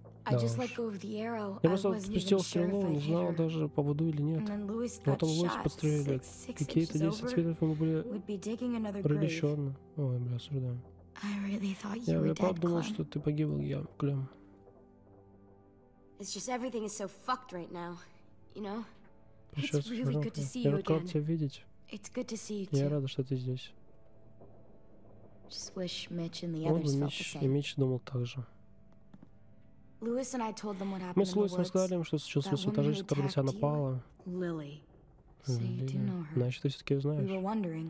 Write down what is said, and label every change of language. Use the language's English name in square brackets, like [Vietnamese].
[Russian] Я просто отпустил стрелу, не знал даже, побуду или нет. Потом Луис подстрелили, какие-то 10 метров ему были рыли еще одну. Ой, бля, осуждаю. Я правда думал, что ты погибл, я, Клем. [English] It's just everything is so fucked right now, you know? It's really good to see you again. It's good to see you [Russian] too. Я рада, что ты здесь. [English] Just wish Mitch and the others felt the same. [Russian] И Митч думал так же. [English] Lewis and I told them what happened. [Russian] Мы с Луисом сказали им, что случилось с этой женщиной, которая тебя напала. [English] Lily. [Russian] Значит, ты все-таки ее знаешь.